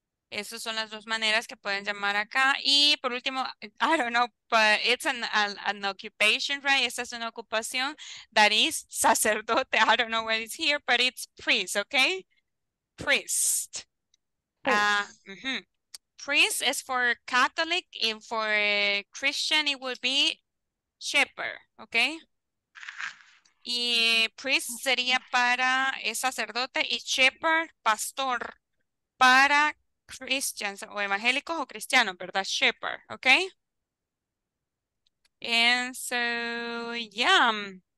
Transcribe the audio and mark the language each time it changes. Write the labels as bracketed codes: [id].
[es] Esas son las dos maneras que pueden llamar acá. Y por último, [en] I don't know, but it's an occupation, right? [es] Esta es una ocupación. [en] That is sacerdote. I don't know what it's here, but it's priest, okay? Priest. Priest is for Catholic, and for Christian, it would be shepherd, okay? [es] Y priest sería para sacerdote, y shepherd, pastor, para Christians, o evangélicos o cristianos, ¿verdad? [en] Shepherd, okay? And so, yeah.